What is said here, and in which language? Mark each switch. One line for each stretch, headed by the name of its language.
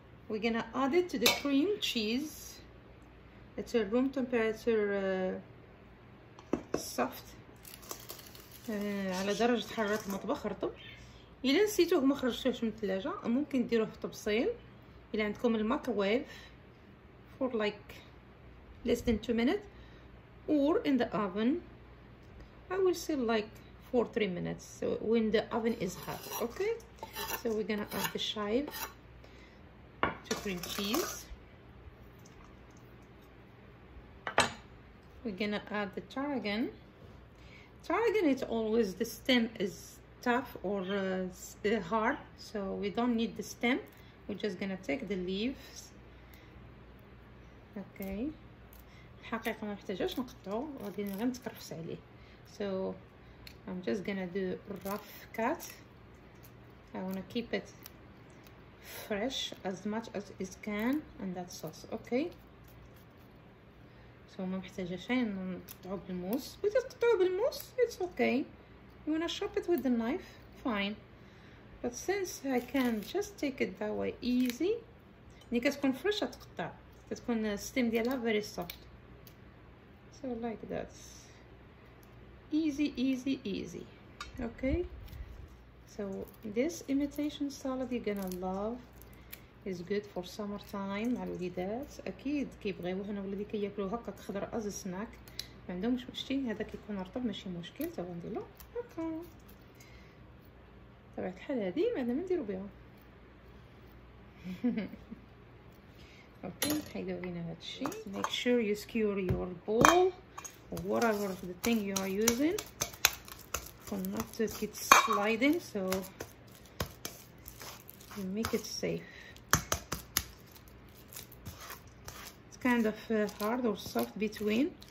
English: We're gonna add it to the cream cheese. It's a room temperature soft.
Arabic: على درجة حرارة المطبخ رطب. إلا نسيتوه ما خرجتوش من الثلاجة، ممكن ديروه في طبصيل. إلا عندكم الميكرويف
English: for like less than 2 minutes or in the oven I will say like 4-3 minutes so when the oven is hot. Okay, so we're gonna add the chive to cream cheese. We're gonna add the tarragon. Tarragon, it's always the stem is tough or hard, so we don't need the stem. We're just gonna take the leaves. Okay.
Arabic: الحقيقة ما نحتاجش نقطعه، غادي غير نتكرفس عليه.
English: So I'm just gonna do rough cut. I wanna keep it fresh as much as it can, and that sauce. Okay.
Arabic: So ما محتاجة شيء نقطعه بالموس. بس تقطعه بالموس
English: it's okay. You wanna chop it with the knife fine. But since I can just take it that way easy.
Arabic: يعني كتكون فريشة تقطع، كتكون ستيم ديالها
English: very soft. So like that. Easy easy easy. Okay. So this imitation salad you're gonna love. is good for summer time.
Arabic: على الوليدات اكيد كيبغيو، هنا ولادي كياكلو هكا خضر
English: as snack,
Arabic: ما عندهمش مشتي، هذا كيكون رطب ماشي مشكل. تبغى نديرو هكا طبعا الحال هذه ما عندنا ما نديرو بها. اوكي، حيدو لينا هذا الشيء.
English: ميك شور يو سكيور يور بول وات ايفر ذا ثينج يو ار يوزين فور نوت تو كيت سلايدين، سو ميك ات سيف. kind of hard or soft between.